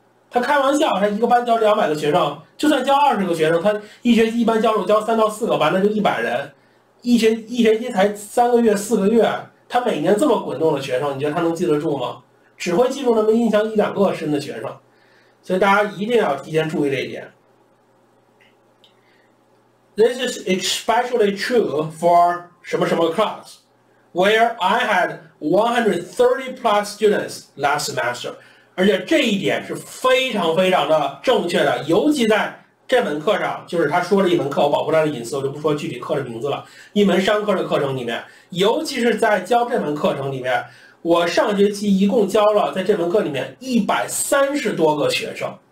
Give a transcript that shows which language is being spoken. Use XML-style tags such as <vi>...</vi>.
<zh>他开玩笑，他一个班教200个学生，就算教20个学生，他一学期一般教授教3到4个班，那就100人，一学期才3个月4个月，他每年这么滚动的学生，你觉得他能记得住吗？只会记住那么印象一两个深的学生。所以大家一定要提前注意这一点。</zh> <en>This is especially true for</en> <zh>什么什么</zh> <en>class, where I had 130 plus students last semester.</en> <zh>而且这一点是非常非常的正确的，尤其在这门课上，就是他说了一门课，我保护他的隐私，我就不说具体课的名字了，一门商科的课程里面，尤其是在教这门课程里面，我上学期一共教了在这门课里面130多个学生。</zh>